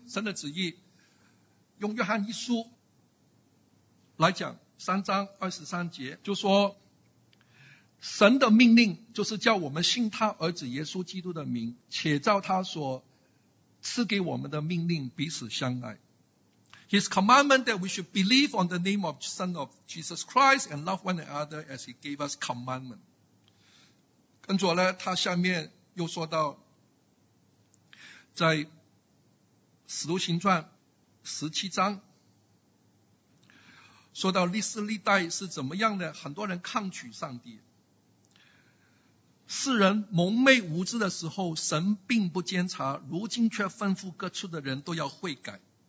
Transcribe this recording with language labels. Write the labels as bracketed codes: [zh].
[zh] 神的旨意，用约翰一书来讲，三章二十三节就说，神的命令就是叫我们信他儿子耶稣基督的名，且照他所赐给我们的命令彼此相爱。 [en] His commandment that we should believe on the name of Son of Jesus Christ and love one another as he gave us commandment. [zh] 跟着呢，他下面又说到，在使徒行传十七章说到历世历代是怎么样的，很多人抗拒上帝，世人蒙昧无知的时候神并不监察，如今却吩咐各处的人都要悔改。